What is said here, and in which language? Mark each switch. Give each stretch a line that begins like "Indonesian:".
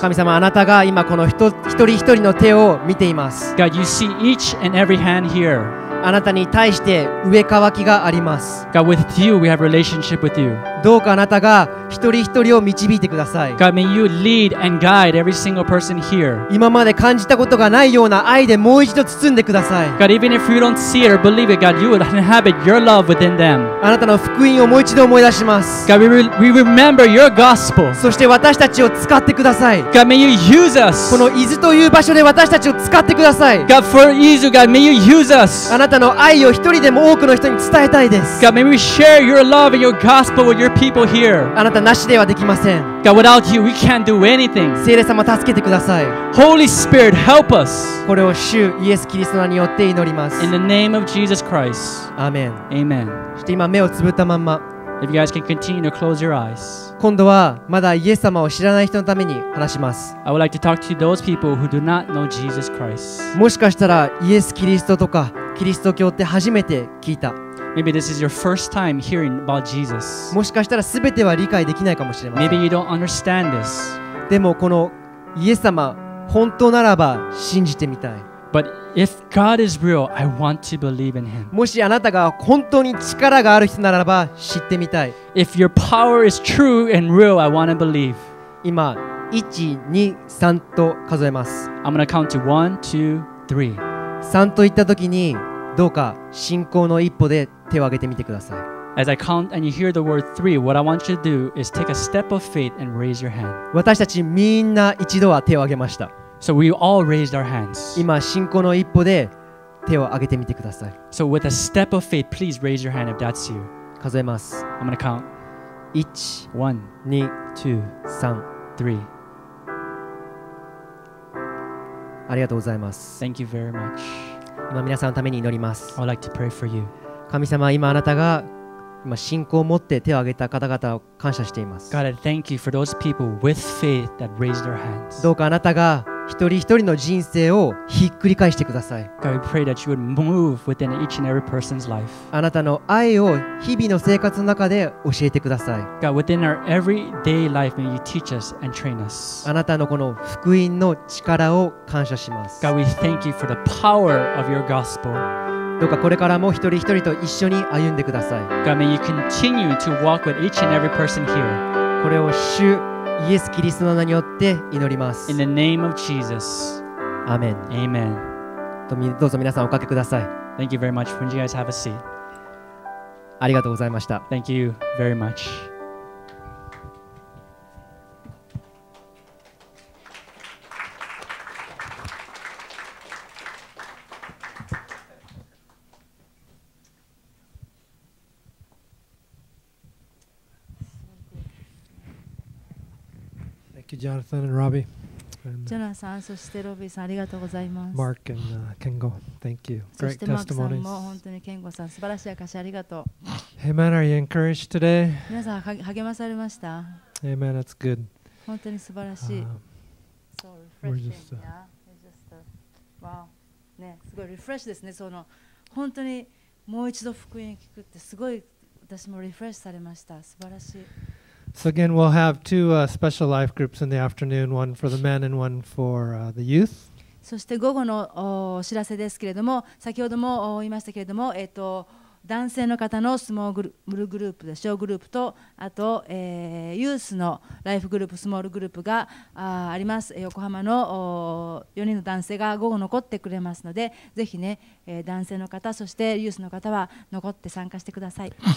Japanese: 神様、あなたが今この一人一人の手を見ています。
English: God, you see each and every hand here.
Japanese: あなたに対して上かわきがあります。
English: God, with you, we have relationship with you.
Japanese: どうかあなたが一人一人を導いてください。
English: God, may you lead and guide every single person here.
Japanese: 今まで感じたことがないような愛でもう一度包んでください。
English: God, even if you don't see it or believe it, God, you would inhabit your love within them.
Japanese: あなたの福音をもう一度思い出します。
English: God, we remember your gospel.
Japanese: そして私たちを使ってください。
English: God, may you use us.
Japanese: この伊豆という場所で私たちを使ってください。
English: God, for Izu, God, may you use us.
Japanese: あなたの愛を一人でも多くの人に伝えたいです。
English: God, may we share your love and your gospel with your people here.
Japanese: あなたなしではできません。
English: God, without you, we can't do anything.
Japanese: 聖霊様、助けてください。
English: Holy Spirit, help us.
Japanese: これを主イエス・キリストの名によって祈ります。
English: In the name of Jesus Christ. Amen. Amen.
Japanese: そして今目をつぶったまんま。
English: If you guys can continue to close your eyes.
Japanese: 今度はまだイエス様を知らない人のために話します。
English: I would like to talk to those people who do not know Jesus Christ.
Japanese: もしかしたらイエス・キリストとかキリスト教って初めて聞いた。
English: Maybe this is your first time hearing about Jesus.
Japanese: もしかしたら全ては理解できないかもしれません。
English: Maybe you don't understand this.
Japanese: でもこのイエス様、本当ならば信じてみたい。
English: But if God is real, I want to believe in Him.
Japanese: もしあなたが本当に力がある人ならば知ってみたい。
English: If your power is true and real, I want to believe.
Japanese: 今、1、2、3と数えます。
English: I'm going to count to 1, 2, 3.
Japanese: 3と言ったときに、どうか信仰の一歩で手を挙げてみてください。
English: As I count and you hear the word three, what I want you to do is take a step of faith and raise your hand.
Japanese: 私たちみんな一度は手を挙げました。
English: So we all raised our hands.
Japanese: 今信仰の一歩で手を挙げてみてください。
English: So with a step of faith, please raise your hand if that's you.
Japanese: 数えます。
English: I'm gonna count.
Japanese: 一、
English: one,
Japanese: 二、
English: two,
Japanese: 三、
English: three.
Japanese: ありがとうございます。
English: Thank you very much.
Japanese: 今皆さんのために祈ります。
English: I'd like to pray for you.
Japanese: 神様、今あなたが今信仰を持って手を挙げた方々を感謝しています。
English: God, I thank you for those people with faith that raised their hands.
Japanese: どうかあなたが一人一人の人生をひっくり返してください。
English: God, we pray that you would move within each and every person's life.
Japanese: あなたの愛を日々の生活の中で教えてください。
English: God, within our everyday life, may you teach us and train us.
Japanese: あなたのこの福音の力を感謝します。
English: God, we thank you for the power of your gospel.
Japanese: どうかこれからも一人一人と一緒に歩んでください。
English: God, may you continue to walk with each and every person here.
Japanese: これを主イエス・キリストの名によって祈ります。
English: In the name of Jesus. Amen. Amen.
Japanese: どうぞ皆さんおかけください。
English: Thank you very much. When you guys have a seat.
Japanese: ありがとうございました。
English: Thank you very much. Jonathan and Robbie.
Japanese: Jonathan, そしてロビーさん、ありがとうございます。
English: Mark and Kengo, thank you. Great testimonies.
Japanese: そしてマークさんも本当にケンゴさん、素晴らしい証、ありがとう。
English: Amen. Are you encouraged today?
Japanese: 皆さん励まされました。
English: Amen. That's good.
Japanese: 本当に素晴らしい。
English: So refreshing. Yeah. Just wow.
Japanese: ね、すごいリフレッシュですね。その本当にもう一度福音聞くってすごい私もリフレッシュされました。素晴らしい。
English: So again, we'll have two special life groups in the afternoon, one for the men and one for the youth.
Japanese: そして午後のお知らせですけれども、先ほども言いましたけれども、男性の方のスモールグループ、小グループと、あと、ユースのライフグループ、スモールグループがあります。横浜の4人の男性が午後残ってくれますので、ぜひね、男性の方、そしてユースの方は残って参加してください。